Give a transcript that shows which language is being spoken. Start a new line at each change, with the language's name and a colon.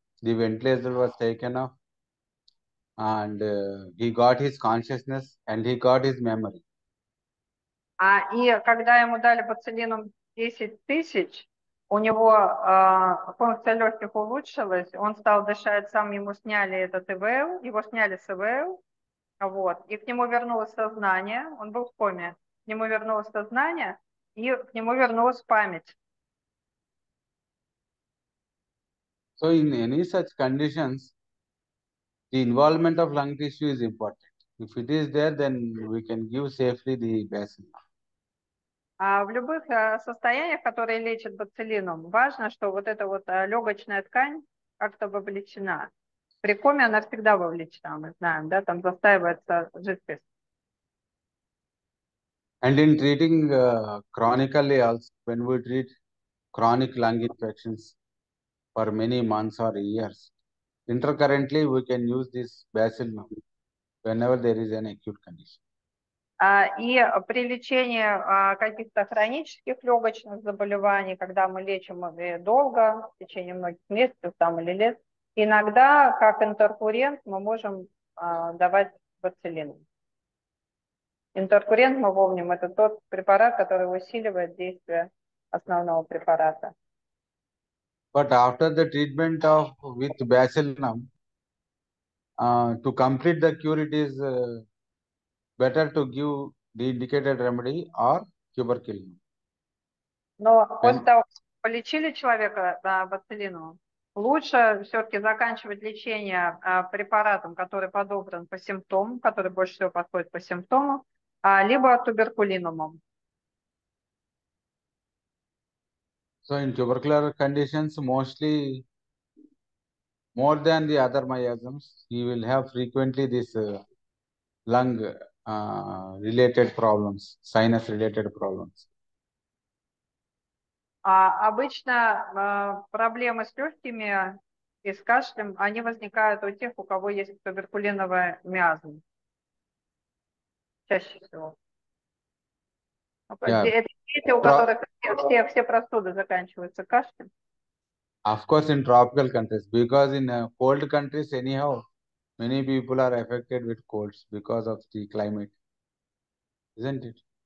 English: The ventilator was taken off, and he got his consciousness and he got his memory.
Russian: А и когда ему дали бациллином 10 тысяч, у него функция легких улучшилась, он стал дышать сам, ему сняли этот ИВЛ, его сняли с ИВЛ, вот, и к нему вернулось сознание, он был в коме, к нему вернулось сознание, и к нему вернулась память.
English: So in any such conditions, the involvement of lung tissue is important. If it is there, then we can give safely the bacillus.
Russian: А в любых состояниях, которые лечат бациллином, важно, что вот эта вот легочная ткань как-то вовлечена. При коме она всегда вовлечена, мы знаем, да, там застаивается жидкость.
English: And in treating chronically also, when we treat chronic lung infections, for many months or years. Intercurrently, we can use this bacillus whenever there is an acute condition.
Russian: И при лечении каких-то хронических легочных заболеваний, когда мы лечим их долго, в течение многих месяцев там, или лет, иногда как интеркурент мы можем давать бациллин. Интеркурент, мы помним, это тот препарат, который усиливает действие основного препарата.
English: But after the treatment of with bacillum, to complete the cure, it is better to give the indicated remedy or tuberculin.
Russian: Но после
English: When...
Russian: того, как полечили человека бациллином, лучше все-таки заканчивать лечение препаратом, который подобран по симптомам, который больше всего подходит по симптомам, либо туберкулинумом.
English: So in tubercular conditions, mostly more than the other miasms, he will have frequently this lung related problems, sinus related problems.
Russian: Обычно проблемы с легкими и с кашлем, они возникают у тех, у кого есть туберкулиновая миазма. Чаще всего.
English: Yeah.
Russian: Это дети, у которых все простуды заканчиваются кашлем.
English: Of course, in tropical countries, because in cold countries, anyhow, many people are affected with colds because of the climate, isn't it?